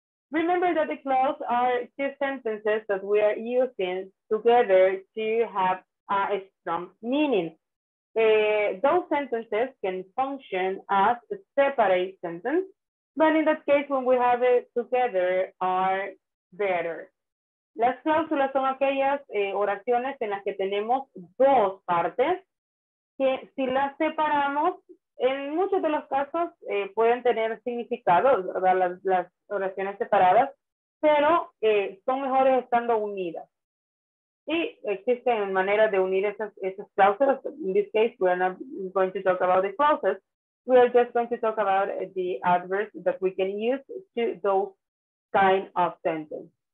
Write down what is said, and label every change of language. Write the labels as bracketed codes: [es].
[en] Remember that the clause are two sentences that we are using together to have a strong meaning. Those sentences can function as a separate sentence, but in that case, when we have it together, are better. [es] Las cláusulas son aquellas oraciones en las que tenemos dos partes, que si las separamos, en muchos de los casos pueden tener significado, ¿verdad? Las oraciones separadas, pero son mejores estando unidas. Y existen maneras de unir esas cláusulas. [en] In this case, we are not going to talk about the clauses. We are just going to talk about the adverbs that we can use to those kind of sentences.